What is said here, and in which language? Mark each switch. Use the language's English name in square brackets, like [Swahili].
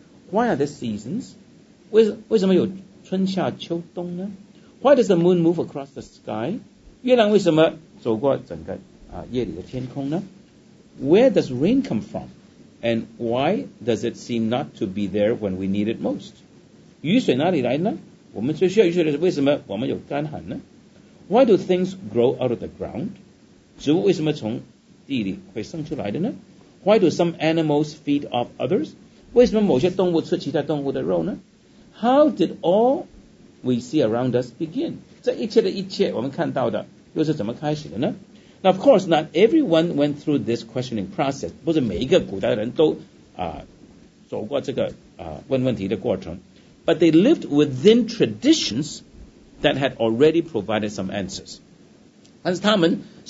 [English] Why are the seasons? [Chinese] 为什么有春夏秋冬呢？ [English] Why does the moon move across the sky? [Chinese] 月亮为什么走过整个夜里的天空呢？ [English] Where does rain come from? And why does it seem not to be there when we need it most? [Chinese] 雨水哪里来呢？我们最需要雨水的是为什么我们有干旱呢？ [English] Why do things grow out of the ground? [Chinese] 植物为什么从地里会生出来的呢？ [English] Why do some animals feed off others? [Chinese] 为什么某些动物吃其他动物的肉呢？ [English] How did all... We see around us begin. [Chinese] 这一切的一切我们看到的又是怎么开始的呢？ [English] Now of course not everyone went through this questioning process. [Chinese] 不是每一个古代人都走过这个问问题的过程。 [English] But they lived within traditions that had already provided some answers. [Chinese] 但是他们